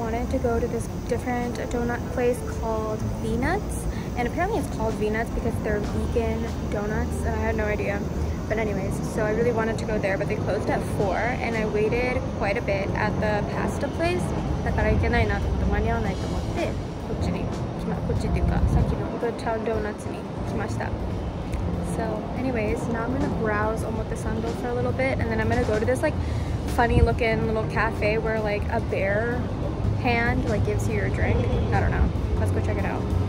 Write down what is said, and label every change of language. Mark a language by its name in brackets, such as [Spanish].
[English] To go to this different donut place called Doughnuts, and apparently it's called Doughnuts because they're vegan donuts, and I had no idea. But anyways, so I really wanted to go there, but they closed at 4, and I waited quite a bit at the pasta place. [Japanese] だから行けないなと思って間に合わないと思ってこっちに来ました。こっちっていうかさっきの Good Town Doughnuts に来ました。 [English] So anyways, now I'm gonna browse Omotesando for a little bit, and then I'm gonna go to this like funny looking little cafe where like a bear. Hand like gives you your drink. I don't know. Let's go check it out.